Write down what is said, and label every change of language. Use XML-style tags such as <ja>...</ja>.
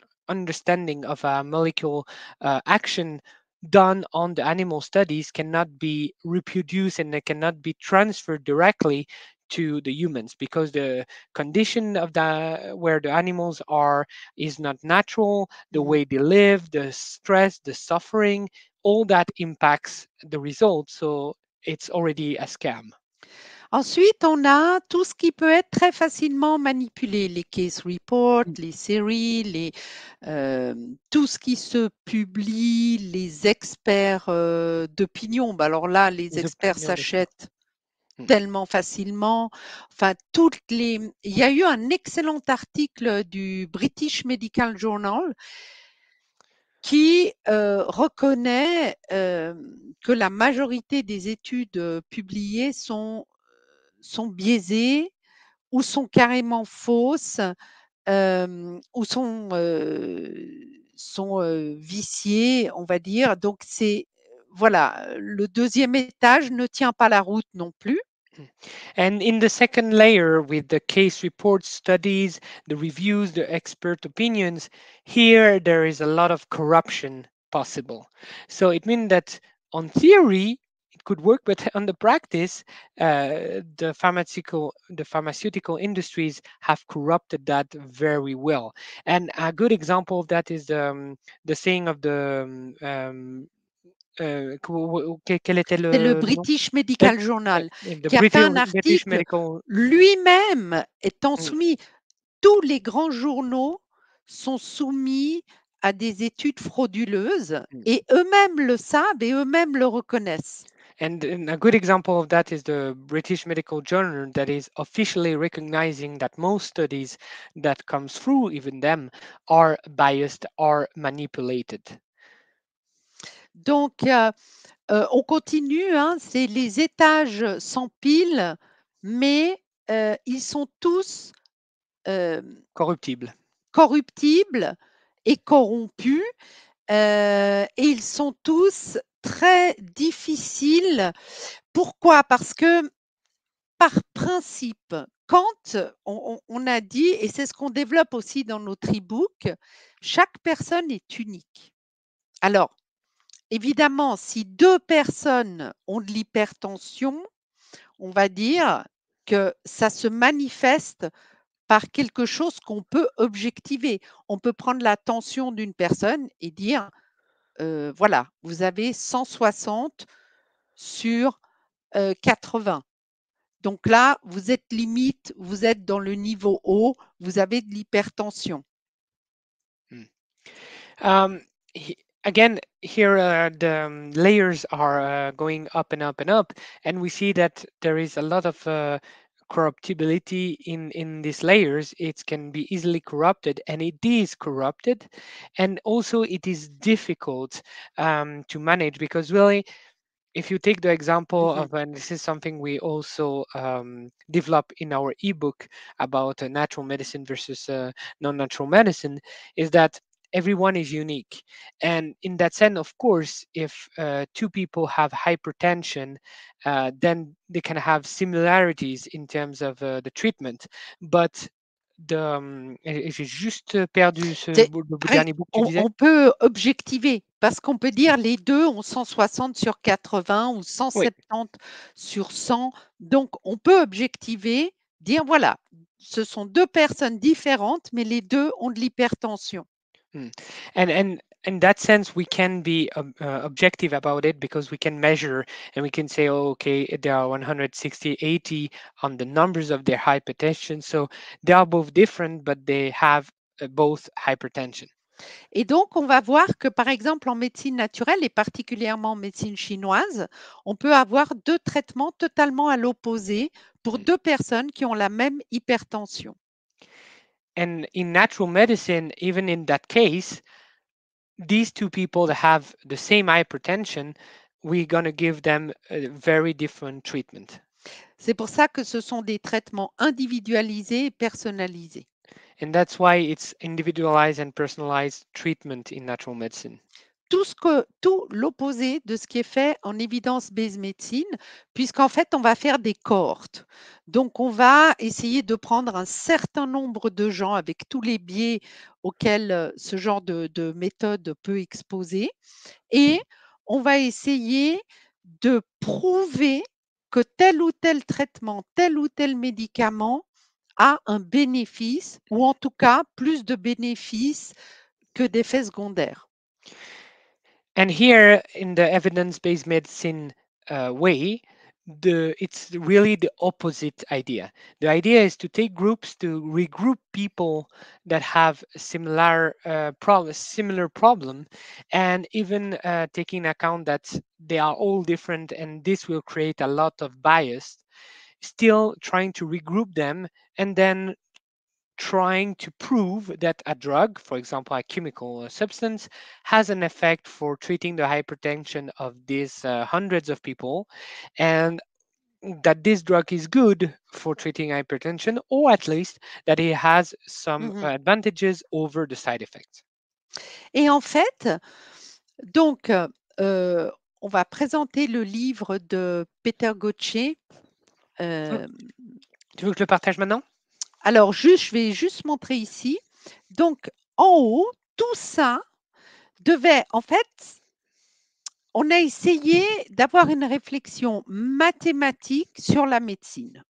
<en>understanding of a molecule action done on the animal studies cannot be reproduced and they cannot be transferred directly to the humans, because the condition of the where the animals are is not natural. The way they live, the stress, the suffering, all that impacts the results. So it's already a scam.</en> <fr>Ensuite, on a tout ce qui peut être très facilement manipulé, les case reports, les séries, tout ce qui se publie, les experts d'opinion. Ben alors là, les experts Opinions de quoi? s'achètent tellement facilement. Enfin, toutes les. Il y a eu un excellent article du British Medical Journal qui reconnaît que la majorité des études publiées sont biaisées ou sont carrément fausses ou sont viciées, on va dire. Donc, c'est. Voilà, le deuxième étage ne tient pas la route non plus.</fr> <en>And in the second layer, with the case reports, studies, the reviews, the expert opinions, here there is a lot of corruption possible. So it means that on theory it could work, but on the practice, the pharmaceutical industries have corrupted that very well. And a good example of that is the saying of the</en> <fr>quel était C'est le le nom?</fr> <en>British Medical Journal The</en> <fr>qui a fait un</fr> <en>British</en> <fr>article</fr> <en>Medical.</en> <fr>lui-même étant soumis. tous les grands journaux sont soumis à des études frauduleuses et eux-mêmes le savent et eux-mêmes le reconnaissent.</fr> <en>And a good example of that is the British Medical Journal that is officially recognizing that most studies that come through, even them, are biased, are manipulated.</en> <fr>Donc, on continue, hein, c'est les étages s'empilent, mais ils sont tous corruptibles et corrompus, et ils sont tous très difficiles. Pourquoi ? Parce que, par principe, quand on a dit, et c'est ce qu'on développe aussi dans notre e-book, chaque personne est unique. Alors, évidemment, si deux personnes ont de l'hypertension, on va dire que ça se manifeste par quelque chose qu'on peut objectiver. On peut prendre la tension d'une personne et dire, voilà, vous avez 160 sur 80. Donc là, vous êtes limite, vous êtes dans le niveau haut, vous avez de l'hypertension.</fr> <en>Again, here the layers are going up and up and up, and we see that there is a lot of corruptibility in these layers. It can be easily corrupted, and it is corrupted, and also it is difficult to manage, because really, if you take the example of, and this is something we also develop in our ebook about natural medicine versus non-natural medicine, is that everyone is unique. And in that sense, of course, if two people have hypertension, then they can have similarities in terms of the treatment. But the...</en> <fr>j'ai juste perdu dernier bout que tu disais. On peut objectiver, parce qu'on peut dire les deux ont 160 sur 80 ou 170 sur 100. Donc, on peut objectiver, dire voilà, ce sont deux personnes différentes, mais les deux ont de l'hypertension.</fr> <en>And in that sense, we can be objective about it, because we can measure and we can say, oh, okay, there are 160, 80 on the numbers of their hypertension. So they are both different, but they have both hypertension.</en> <fr>Et donc, on va voir que, par exemple, en médecine naturelle et particulièrement en médecine chinoise, on peut avoir deux traitements totalement à l'opposé pour deux personnes qui ont la même hypertension.</fr> <en>And in natural medicine, even in that case, these two people that have the same hypertension, we're going to give them a very different treatment.</en> <fr>C'est pour ça que ce sont des traitements individualisés et personnalisés.</fr> <en>And that's why it's individualized and personalized treatment in natural medicine.</en> <fr>Tout l'opposé de ce qui est fait en evidence-based médecine, puisqu'en fait, on va faire des cohortes. Donc, on va essayer de prendre un certain nombre de gens avec tous les biais auxquels ce genre de méthode peut exposer. Et on va essayer de prouver que tel ou tel traitement, tel ou tel médicament a un bénéfice, ou en tout cas, plus de bénéfices que d'effets secondaires.</fr> <en>And here, in the evidence-based medicine way, it's really the opposite idea. The idea is to take groups, to regroup people that have similar problem, and even taking account that they are all different and this will create a lot of bias, still trying to regroup them and then trying to prove that a drug, for example, a chemical substance, has an effect for treating the hypertension of these hundreds of people, and that this drug is good for treating hypertension, or at least that it has some advantages over the side effects.</en> <fr>Et en fait, donc, on va présenter le livre de Peter Gautier. Tu veux que je le partage maintenant? Alors, je vais juste montrer ici. Donc, en haut, tout ça devait, en fait, on a essayé d'avoir une réflexion mathématique sur la médecine.</fr>